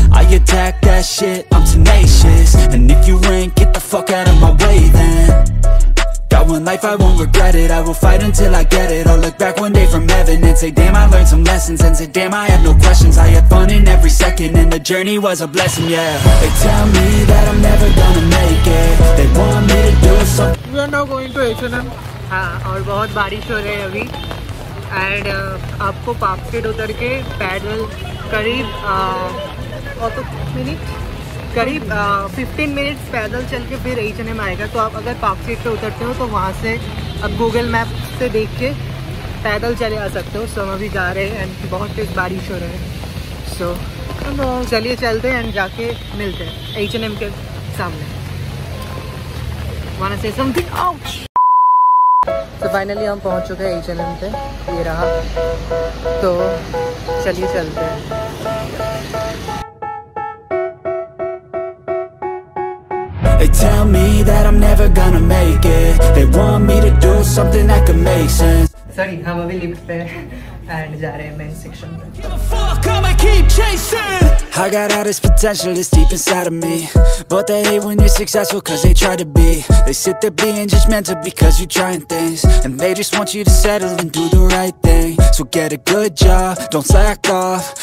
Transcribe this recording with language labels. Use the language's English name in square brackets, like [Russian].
[English] I attack that shit, I'm tenacious. And if you ain't get the fuck out of my way, then got one life, I won't regret it. I will fight until I get it. I'll look back one day from heaven and say, damn, I learned some lessons. And say, damn, I have no questions. I had fun in every second, and the journey was a blessing. Yeah, they tell me that I'm never gonna make it. They want me to do something. We are now going to H&M. [Hindi] और बहुत बारिश हो रही है अभी. And आपको park street उतर के पैडल करीब और तो मिनट करीब 15 मिनट पैदल चल के फिर H&M आएगा. तो आप अगर पार्क स्ट्रीट पर उतरते हो तो वहाँ से अब गूगल मैप से देख के पैदल चले आ सकते हो. सो हम अभी जा रहे हैं एंड बहुत तेज बारिश हो रहा है. सो चलिए चलते हैं एंड जाके मिलते हैं H&M के सामने. वाना से समथिंग आउट. तो फाइनली हम पहुंच चुके हैं H&M पे. ये रहा, तो चलिए चलते हैं. [English] Tell me that I'm never gonna make it. They want me to do something that could make sense. [Hindi] Sorry, हम अभी लिफ्ट पे एंड जा रहे हैं मेन सेक्शन पे. [English] Keep chasing. I got all this potential that's deep inside of me. But they hate when you're successful cause they try to be. They sit there being judgmental because you're trying things. And they just want you to settle and do the right thing. So get a good job, don't slack off.